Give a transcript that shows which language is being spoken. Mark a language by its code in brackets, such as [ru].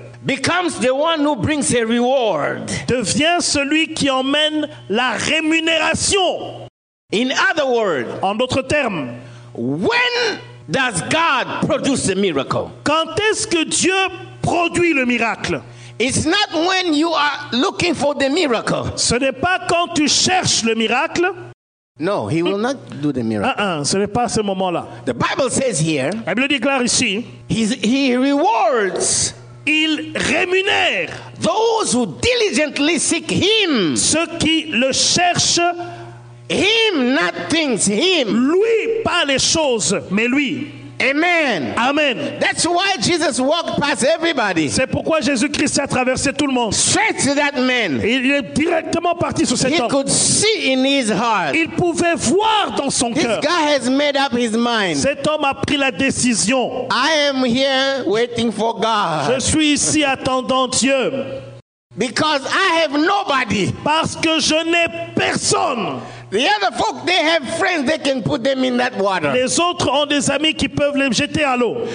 [en] becomes the one who brings a reward. [fr] Devient celui qui emmène la rémunération. [en] In other words, [fr] en d'autres termes, [en] when does God produce a miracle? [fr] Quand est-ce que Dieu produit le miracle? [en] It's not when you are looking for the miracle. [fr] Ce n'est pas quand tu cherches le miracle. [en] No, he will not do the miracle. [fr] Ce n'est pas à ce moment-là. [en] The Bible says here. [fr] La Bible déclare ici. [en] He rewards. [fr] Il rémunère [en] those who diligently seek him. [fr] Ceux qui le cherchent. [en] Him, not things. Him. [fr] Lui, pas les choses, mais lui. [en] Amen. [fr] Amen. [en] That's why Jesus walked past everybody. [fr] C'est pourquoi Jésus-Christ a traversé tout le monde. [en] Straight to that man. [fr] Il est directement parti sur cet he homme. [en] Could see in his heart. [fr] Il pouvait voir dans son cœur. [en] This guy has made up his mind. [fr] Cet homme a pris la décision. [en] I am here waiting for God. [fr] Je suis ici attendant Dieu. [en] Because I have nobody. [fr] Parce que je n'ai personne. [en] The other folk, they have friends, they can put them in that water. [fr] Les autres ont des amis qui peuvent les jeter à l'eau.